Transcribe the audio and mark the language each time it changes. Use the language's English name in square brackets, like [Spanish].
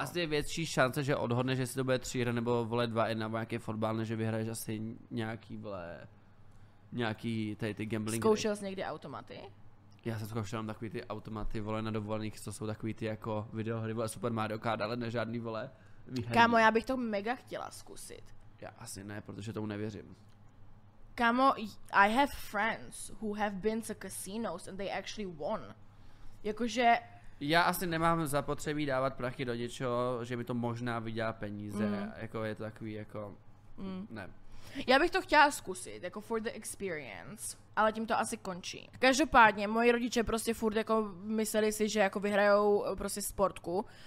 [Czech] Asi je větší šance, že odhodneš, jestli to bude 3 hry, nebo vole 2-1, nebo nějaký fotbal, než vyhraješ asi nějaký, vole, nějaký tady ty gambling. Zkoušel jsi někdy automaty? Já jsem zkoušel tam takový ty automaty, vole, na dovolených, co jsou takový ty jako videohry, vole, Super Mario Kart, ale ne žádný, vole, výherní. Kámo, já bych to mega chtěla zkusit. Já asi ne, protože tomu nevěřím. Kámo, [English] I have friends who have been to casinos and they actually won. [Czech] Jakože... Já asi nemám zapotřebí dávat prachy do něčeho, že mi to možná vydělá peníze. Jako je to takový jako... Ne. Já bych to chtěla zkusit, jako [English] for the experience. [Czech] Ale tím to asi končí. Každopádně, moji rodiče prostě furt jako mysleli si, že jako vyhrajou prostě sportku.